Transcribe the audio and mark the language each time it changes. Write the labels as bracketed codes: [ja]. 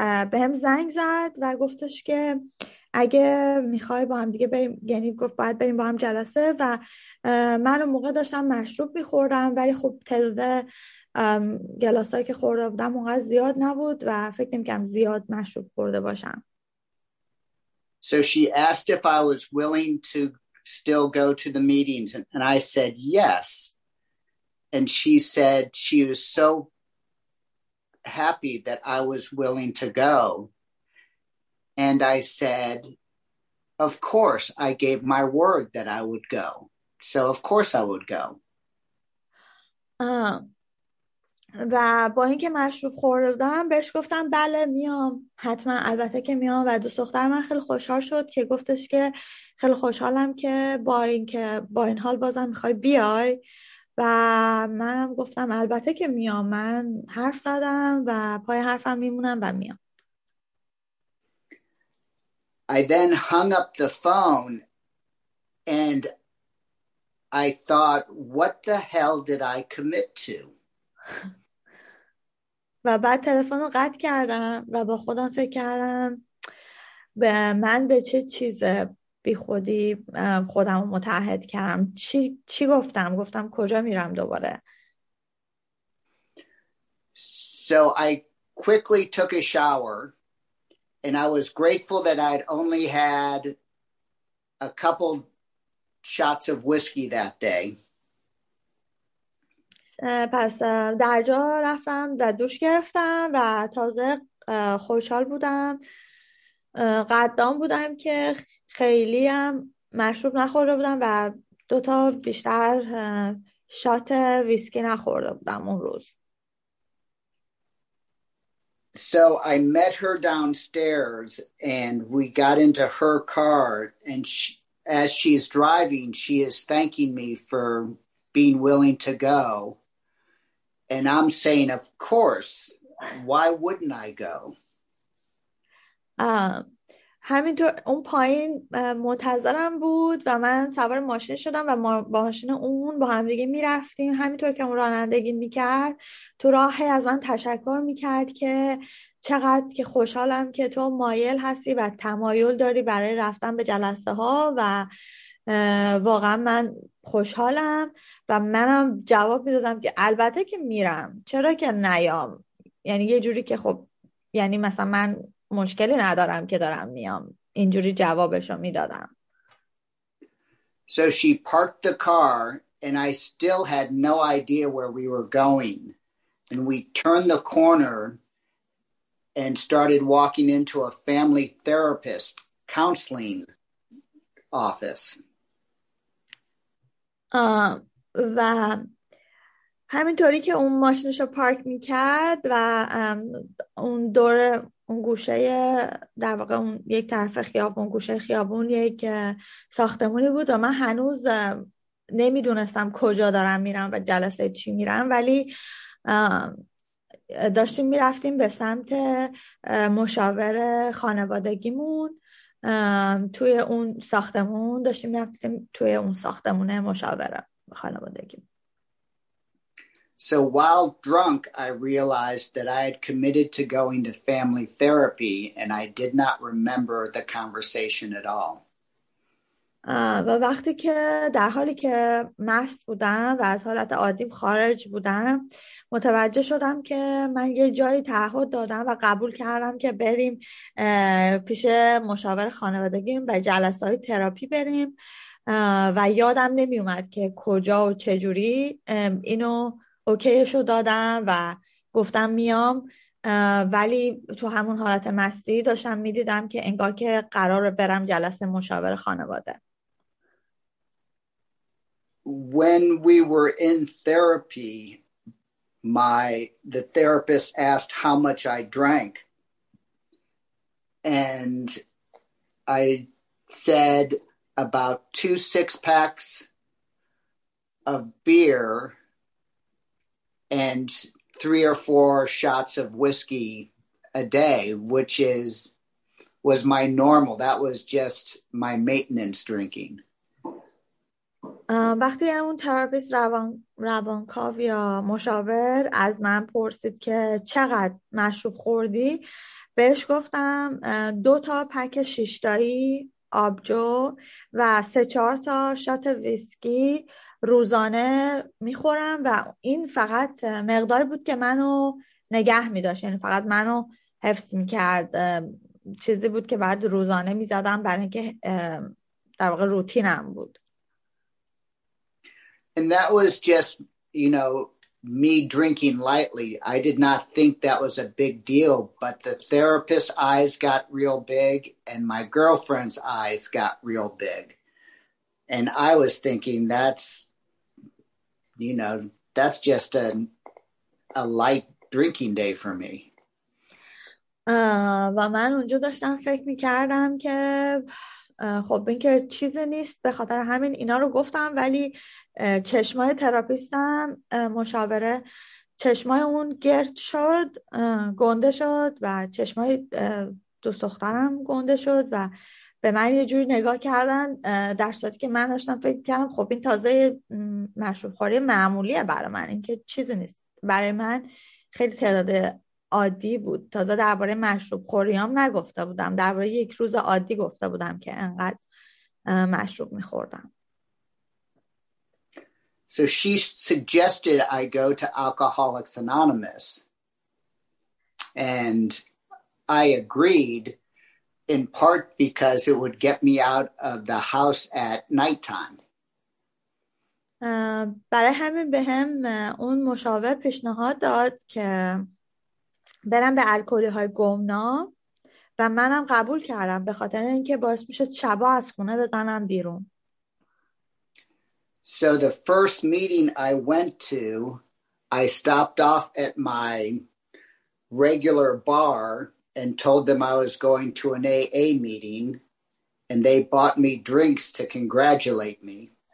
[fa] به هم زنگ زد و گفتش که اگه میخوای با هم دیگه بریم، یعنی گفت باید بریم با هم جلسه، و من اون موقع داشتم مشروب میخوردم ولی خب تعداد گلاسایی که خورده بودم اونقدر زیاد نبود و فکر نمی‌کنم زیاد مشروب خورده باشم. [en] So she asked if I was willing to still go to the meetings and I said yes. And she said she was so happy that I was willing to go. And I said of course, I gave my word that I would go. So of course I would go. [fa] و با اینکه مشروب خوردم بهش گفتم بله میام، حتما البته که میام، و دوست دخترم خیلی خوشحال شد که گفتش که خیلی خوشحالم که با این حال بازم میخوای بیای، و منم گفتم البته که میام، من حرف زدم و پای حرفم میمونم و میام. [en] I then hung up the phone and I thought what the hell did I commit to. [fa] و بعد تلفن رو قطع کردم و با خودم فکر کردم به من به چه چیز بی خودی خودم متعهد کردم. چی گفتم؟ گفتم کجا میرم دوباره؟ [en] So I quickly took a shower and I was grateful that I'd only had a couple shots of whiskey that day. [fa] پس در جا رفتم در دوش گرفتم و تازه خوشحال بودم قدام بودم که خیلی هم مشروب نخورده بودم و دوتا بیشتر شات ویسکی نخورده بودم اون روز. [en] So I met her downstairs and we got into her car and as she's driving she is thanking me for being willing to go. And I'm saying, of course, why wouldn't I go? [fa] همینطور اون پایین منتظرم بود و من سوار ماشین شدم و با ماشین اون با همدیگه می رفتیم. همینطور که اون رانندگی می کرد تو راه از من تشکر می کرد که چقدر که خوشحالم که تو مایل هستی و تمایل داری برای رفتن به جلسه ها و واقعا من خوشحالم و منم جواب میدادم که البته که میرم، چرا که نیام، یعنی یه جوری که خب یعنی مثلا من مشکلی ندارم که دارم میام، اینجوری جوابشو میدادم. [en] So she parked the car and I still had no idea where we were going and we turned the corner and started walking into a family therapist counseling office. [fa] و همینطوری که اون ماشینش رو پارک میکرد و اون دور اون گوشه در واقع اون یک طرف خیابون گوشه خیابون یک ساختمونی بود و من هنوز نمیدونستم کجا دارم میرم و جلسه چی میرم، ولی داشتیم میرفتیم به سمت مشاور خانوادگیمون توی اون ساختمون داشتیم میرفتیم توی اون ساختمون مشاوره خانوادگی. [en] So while drunk I realized that I had committed to going to family therapy and I did not remember the conversation at all. [fa] و وقتی که در حالی که مست بودم و از حالت عادیم خارج بودم متوجه شدم که من یه جایی تعهد دادم و قبول کردم که بریم پیش مشاور خانوادگیم و جلسه های تراپی بریم و یادم نمی اومد که کجا و چجوری اینو اوکیشو دادم و گفتم میام، ولی تو همون حالت مستی داشتم می دیدم که انگار که قراره برم جلسه مشاور خانواده. [en] When we were in therapy, the therapist asked how much I drank. And I said about 2 6-packs of beer and 3 or 4 shots of whiskey a day, which was my normal. That was just my maintenance drinking. [fa] وقتی اون تراپیست روانکاو یا مشاور از من پرسید که چقدر مشروب خوردی بهش گفتم 2 تا پک شیشتایی آبجو و 3 4 تا شات ویسکی روزانه میخورم و این فقط مقدار بود که منو نگه میداشت، یعنی فقط منو حفظ میکرد، چیزی بود که بعد روزانه میزدم برای اینکه در واقع روتینم بود. [en] And that was just, you know, me drinking lightly. I did not think that was a big deal, but the therapist's eyes got real big and my girlfriend's eyes got real big. And I was thinking that's just a light drinking day for me. [fa] و من اونجا داشتم فکر میکردم که خب این که چیزی نیست، به خاطر همین اینا رو گفتم، ولی چشمای تراپیستم مشاوره چشمای اون گرد شد، گنده شد و چشمای دوست دخترم گنده شد و به من یه جوری نگاه کردن در صورتی که من داشتم فکر کردم خب این تازه مشروب خوری معمولیه برای من، این که چیزی نیست، برای من خیلی تعداد عادی بود، تازه درباره مشروب خوریام نگفته بودم، درباره یک روز عادی گفته بودم که انقدر مشروب میخوردم. [en] So she suggested I go to Alcoholics Anonymous. And I agreed in part because it would get me out of the house at nighttime. [fa] برای همین به هم اون مشاور پیشنهاد داد که برم به الکلی های گمنام و منم قبول کردم به خاطر اینکه باعث میشد شبا از خونه بزنم بیرون. [en] So the first meeting I went to, I stopped off at my regular bar and told them I was going to an AA meeting and they bought me drinks to congratulate me.